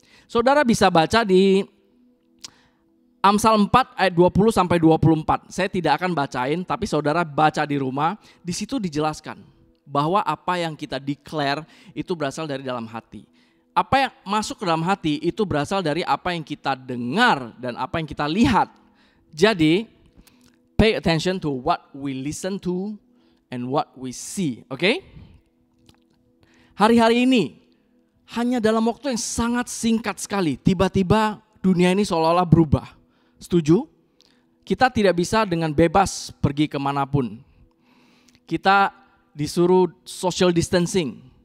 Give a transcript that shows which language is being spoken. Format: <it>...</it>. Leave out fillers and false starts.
<id>Saudara bisa baca di Amsal 4 ayat 20-24. Saya tidak akan bacain, tapi saudara baca di rumah. Di situ dijelaskan bahwa apa yang kita declare itu berasal dari dalam hati. Apa yang masuk ke dalam hati itu berasal dari apa yang kita dengar dan apa yang kita lihat. Jadi,</id> <en>pay attention to what we listen to and what we see, okay?</en> <id>Hari-hari ini, hanya dalam waktu yang sangat singkat sekali, tiba-tiba dunia ini seolah-olah berubah. Setuju? Kita tidak bisa dengan bebas pergi kemanapun. Kita disuruh social distancing.</id>